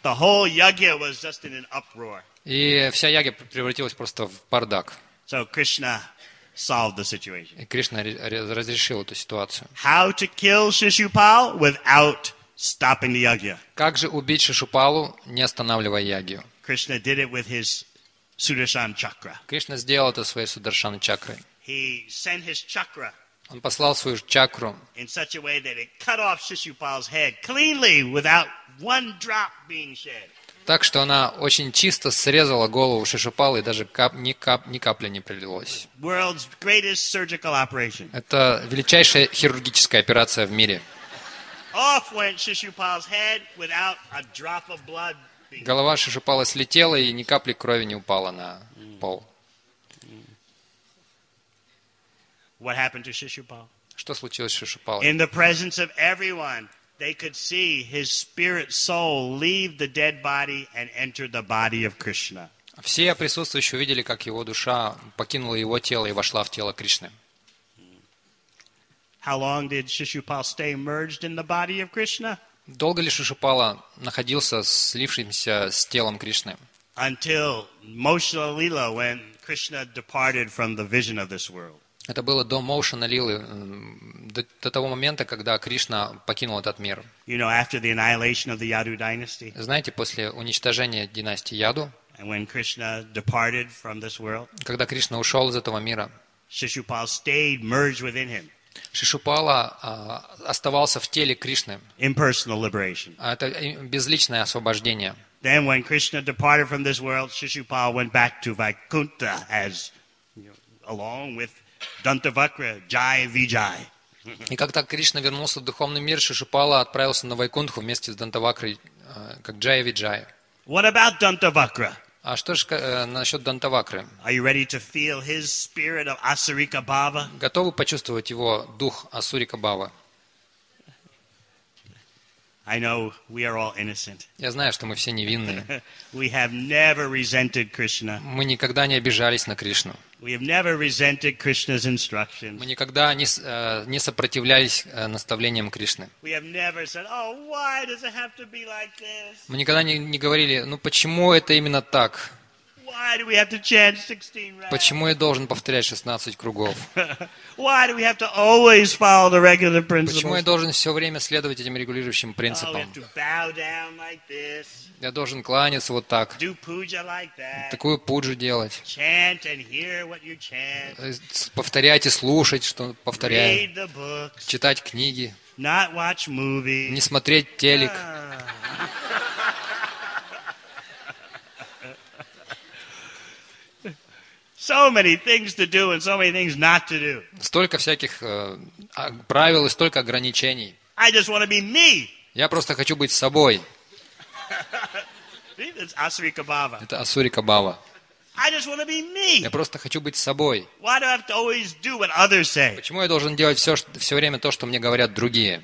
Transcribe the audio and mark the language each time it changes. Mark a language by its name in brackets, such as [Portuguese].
[English] The whole yagya was just in an uproar. [Russian] И вся ягья превратилась просто в бардак. [English] So Krishna solved the situation. [Russian] И Кришна разрешил эту ситуацию. [English] How to kill Shishupal without stopping the yagya? [Russian] Как же убить Шишупалу, не останавливая ягью? [English] Krishna did it with his Sudarshan chakra. [Russian] Кришна сделал это своей Сударшан чакрой. [English] He sent his chakra. [Russian] Он послал свою чакру. [English] In such a way that it cut off Shishupal's head cleanly without one drop being shed. [Russian] Так что она очень чисто срезала голову Шишупалы и даже ни капли не пролилось. [English] World's greatest surgical operation. [Russian] Это величайшая хирургическая операция в мире. [English] Off went Shishupal's head without a drop of blood being shed. [Russian] Голова Шишупалы слетела и ни капли крови не упала на пол. [English] What happened to Shishupal? [Russian] Что случилось с Шишупалой? [English] In the presence of everyone, they could see his spirit soul leave the dead body and enter the body of Krishna. [Russian] Все присутствующие увидели, как его душа покинула его тело и вошла в тело Кришны. [English] How long did Shishupal stay merged in the body of Krishna? [Russian] Долго ли Шишупала находился слившимся с телом Кришны? [English] Until Moksha Lila, when Krishna departed from the vision of this world. [Russian] Это было до Мокшана Лилы, до того момента, когда Кришна покинул этот мир. [English] You know, after the annihilation of the Yadu dynasty, [Russian] знаете, после уничтожения династии Яду, [English] and when Krishna departed from this world, [Russian] когда Кришна ушел из этого мира, [English] Шишупал stayed merged within him. [Russian] Шишупала оставался в теле Кришны. [English] Impersonal liberation. [Russian] Это безличное освобождение. [English] Then when Krishna departed from this world, Shishupala went back to Vaikuntha as, you know, along with Dantavakra, Jai Vijay. [Russian] И когда Кришна вернулся в духовный мир, Шишупала отправился на Вайкунтху вместе с Дантавакрой, как Джай Виджай. [English] What about Дантавакра? [Russian] А что ж насчет Дантавакры? [English] Are you ready to feel his spirit of Асурика Бава? [Russian] Готовы почувствовать его дух Асурика Бава? [English] I know we are all innocent. [Russian] Я знаю, что мы все невинные. [English] We have never resented Krishna. [Russian] Мы никогда не обижались на Кришну. [English] We have never resented Krishna's instructions. [Russian] Мы никогда не сопротивлялись наставлениям Кришны. [English] We have never said, "Oh, why does it have to be like this?" [Russian] Мы никогда не говорили, ну почему это именно так? [English] Why do we have to chant 16 rounds? [Russian] Почему я должен повторять 16 кругов? [English] Why do we have to always follow the regular principles? [Russian] Почему я должен все время следовать этим регулирующим принципам? [English] Oh, we have to bow down like this. [Russian] Я должен кланяться вот так. [English] Do puja like that. [Russian] Такую пуджу делать. [English] Chant and hear what you chant. [Russian] Повторять и слушать, что повторяю. [English] Read the books. [Russian] Читать книги. [English] Not watch movies. [Russian] Не смотреть телек. [English] So many things to do and so many things not to do. [Russian] Столько всяких правил и столько ограничений. [English] I just want to be me. [Russian] Я просто хочу быть собой. [English] It's Asurika Bhava. [Russian] Это Асурика Бава. [English] I just want to be me. [Russian] Я просто хочу быть собой. [English] Why do I have to always do what others say? [Russian] Почему я должен делать все время то, что мне говорят другие?